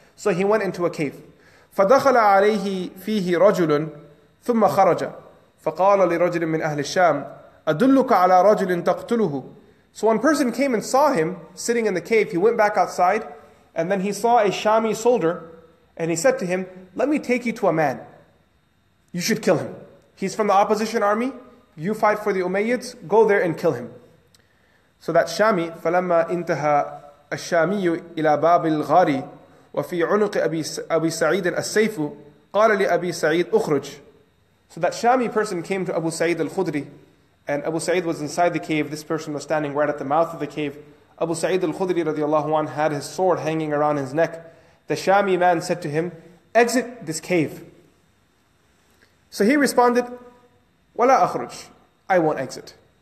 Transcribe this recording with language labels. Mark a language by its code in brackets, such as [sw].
[en] So he went into a cave. [ar] فَدَخَلَ عَلَيْهِ فِيهِ رَجُلٌ ثُمَّ خَرَجَ فَقَالَ لِرَجُلٍ مِّنْ أَهْلِ الشَّامِ أَدُلُّكَ عَلَى رَجُلٍ تَقْتُلُهُ. [en] So one person came and saw him sitting in the cave. He went back outside, and then he saw a Shami soldier, and he said to him, let me take you to a man. You should kill him. He's from the opposition army. You fight for the Umayyads. Go there and kill him. So that Shami, [ar] فَلَمَّا إِنْتَهَى الشَّامِيُّ إِلَى بَابِ الْغَارِ وَفِي عُنُقِ أَبِي سَعِيدٍ السَّيْفُ قَالَ لِأَبِي سَعِيدٍ أُخْرُجْ. [en] So that Shami person came to Abu Sa'id al-Khudri, and Abu Sa'id was inside the cave. This person was standing right at the mouth of the cave. Abu Sa'id al-Khudri radiallahu anhu had his sword hanging around his neck. The Shami man said to him, exit this cave. So he responded, [ar] وَلَا أَخْرُجْ, [en] I won't exit.